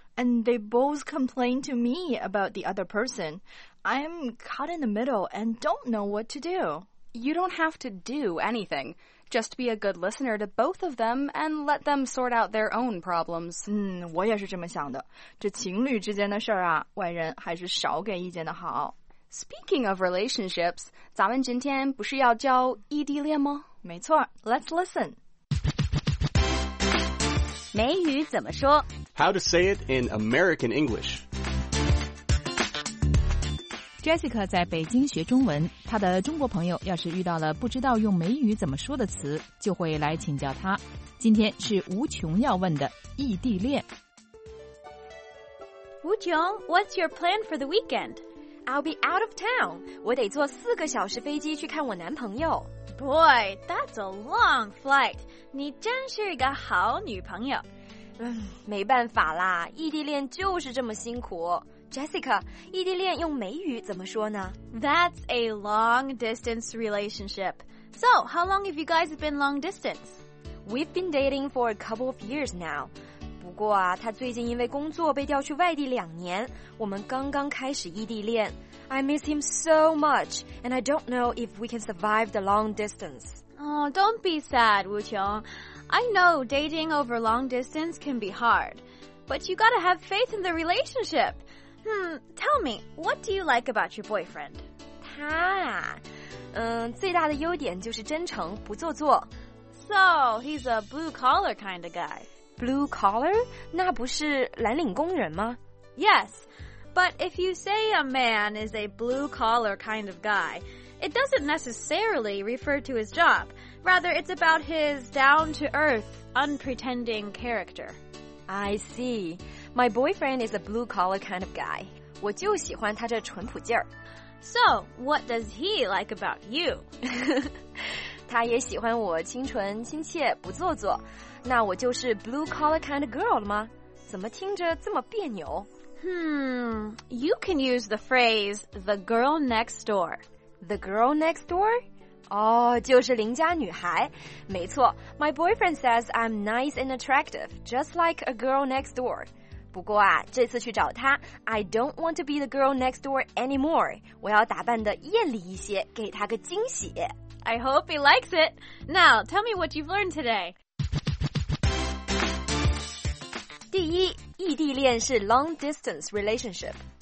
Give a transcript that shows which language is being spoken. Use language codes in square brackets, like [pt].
[en] And they both complain to me about the other person. I'm caught in the middle and don't know what to do. You don't have to do anything. Just be a good listener to both of them and let them sort out their own problems. [zh] 我也是这么想的。这情侣之间的事儿啊，外人还是少给意见的好。 [en] Speaking of relationships, [zh] 咱们今天不是要教异地恋吗？没错， [en] let's listen. [zh] 美语怎么说？ [en] How to say it in American English. [zh] Jessica 在北京学中文，她的中国朋友要是遇到了不知道用美语怎么说的词，就会来请教她。今天是吴琼要问的异地恋。 [en] 吴琼， What's your plan for the weekend? I'll be out of town. [zh] 我得坐四个小时飞机去看我男朋友。 [en] Boy, that's a long flight. [zh] 你真是一个好女朋友。没办法啦，异地恋就是这么辛苦。 Jessica, 异地恋用美语怎么说呢？ [en] That's a long distance relationship. So, how long have you guys been long distance? We've been dating for a couple of years now. [zh] 不过啊，他最近因为工作被调去外地两年，我们刚刚开始异地恋。 [en] I miss him so much, and I don't know if we can survive the long distance. Oh, don't be sad, Wu Qiong. I know dating over long distance can be hard, but you gotta have faith in the relationship. Tell me, what do you like about your boyfriend? [zh] 他啊，最大的优点就是真诚，不做作。 [en] So, he's a blue-collar kind of guy. [zh] Blue-collar? 那不是蓝领工人吗？ [en] Yes, but if you say a man is a blue-collar kind of guy, it doesn't necessarily refer to his job. Rather, it's about his down-to-earth, unpretending character. I see. My boyfriend is a blue-collar kind of guy. [zh] 我就喜欢他这淳朴劲儿。 [en] So, what does he like about you? [zh] 他也喜欢我亲纯亲切不做作，那我就是 [en] blue collar kind of girl [zh] 了吗？怎么听着这么别扭？ [en] You can use the phrase the girl next door. The girl next door? [zh] 就是邻家女孩。没错， [en] my boyfriend says I'm nice and attractive, just like a girl next door. [zh] 不过啊，这次去找他 [en] ，I don't want to be the girl next door anymore. [zh] 我要打扮的艳丽一些，给他个惊喜。 [en] I hope he likes it. Now, tell me what you've learned today. [zh] 第一，异地恋是 long distance relationship.